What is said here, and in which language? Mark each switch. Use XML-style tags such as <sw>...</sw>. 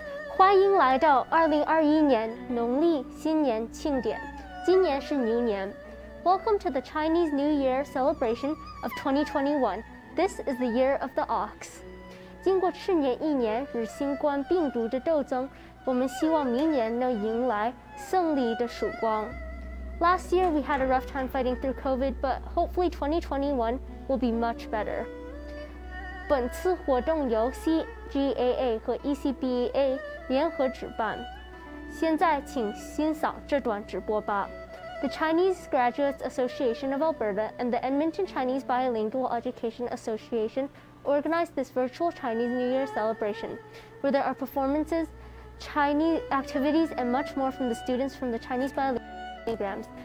<zh>欢迎来到2021年农历新年庆典。今年是牛年。</zh> <en>Welcome to the Chinese New Year celebration of 2021. This is the year of the ox.</en> <zh>经过去年一年与新冠病毒的斗争，我们希望明年能迎来胜利的曙光。</zh> <en>Last year, we had a rough time fighting through COVID, but hopefully 2021 will be much better.</en> <zh>本次活动由 CGAA 和 ECBA 联合举办。现在请欣赏这段直播吧。</zh> <en>The Chinese Graduates Association of Alberta and the Edmonton Chinese Bilingual Education Association organized this virtual Chinese New Year celebration, where there are performances, Chinese activities, and much more from the students from the Chinese Bilingual programs.</en>